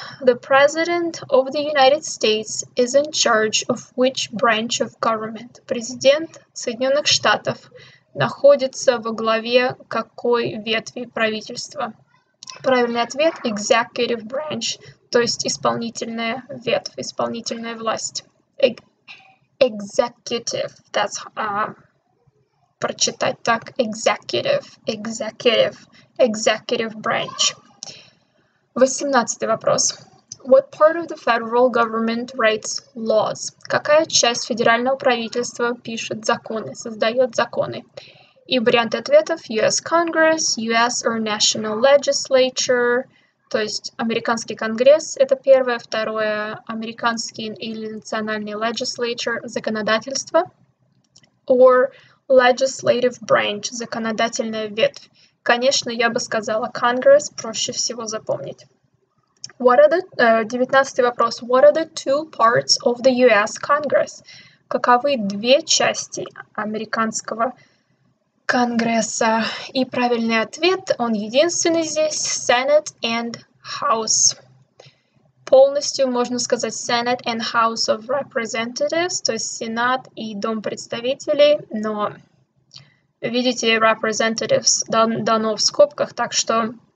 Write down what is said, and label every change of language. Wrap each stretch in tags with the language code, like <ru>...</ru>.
<en>The President of the United States is in charge of which branch of government?</en> <ru>Президент Соединенных Штатов находится во главе какой ветви правительства? Правильный ответ – executive branch, то есть исполнительная ветвь, исполнительная власть.</ru> <en>Executive, that's</en> <ru>прочитать так.</ru> <en>Executive branch.</en> <ru>18 вопрос.</ru> <en>What part of the federal government writes laws?</en> <ru>Какая часть федерального правительства пишет законы, создает законы? И вариант ответов US Congress, US or National Legislature, то есть американский конгресс, это первое, второе, американский или национальный legislature, законодательство,</ru> <en>or legislative branch,</en> <ru>законодательная ветвь. Конечно, я бы сказала Congress, проще всего запомнить. 19 вопрос.</ru> <en>What are the two parts of the US Congress?</en> <ru>Каковы две части американского конгресса? И правильный ответ, он единственный здесь, Senate and House. Полностью можно сказать Senate and House of Representatives, то есть Сенат и Дом представителей, но видите, Representatives дано в скобках, так что...</ru>